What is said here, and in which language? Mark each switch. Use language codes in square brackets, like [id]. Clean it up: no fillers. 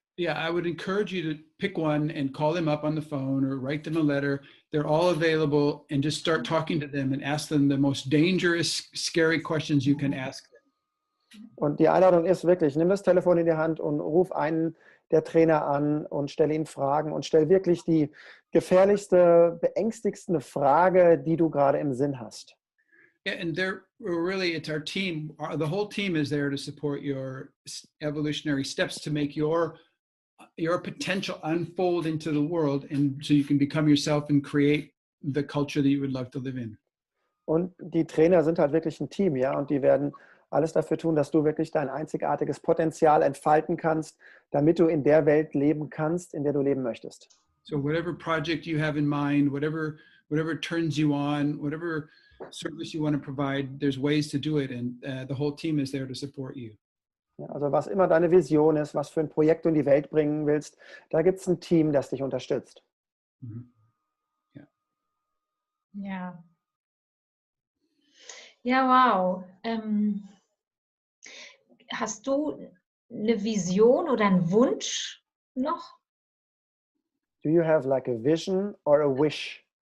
[en] Yeah, I would encourage you to pick one and call them up on the phone or write them a letter. They're all available, and just start talking to them and ask them the most dangerous, scary questions you can ask them. [de] Und die Einladung ist wirklich, nimm das Telefon in die Hand und ruf einen der Trainer an und stell ihn Fragen und stell wirklich die gefährlichste, beängstigendste Frage, die du gerade im Sinn hast. [en] Yeah, and they're really, it's our team. The whole team is there to support your evolutionary steps to make your potential unfold into the world, and so you can become yourself and create the culture that you would love to live in. [de] Und die Trainer sind halt wirklich ein Team, ja, und die werden alles dafür tun, dass du wirklich dein einzigartiges Potenzial entfalten kannst, damit du in der Welt leben kannst, in der du leben möchtest. [en] So whatever project you have in mind, whatever turns you on, whatever service you want to provide, there's ways to do it, and the whole team is there to support you. [de] Ja, also was immer deine Vision ist, was für ein Projekt du in die Welt bringen willst, da gibt es ein Team, das dich unterstützt. Mhm. Ja. Ja. Ja, wow. Hast du eine Vision oder einen Wunsch noch? [en] Do you have like a vision or a wish?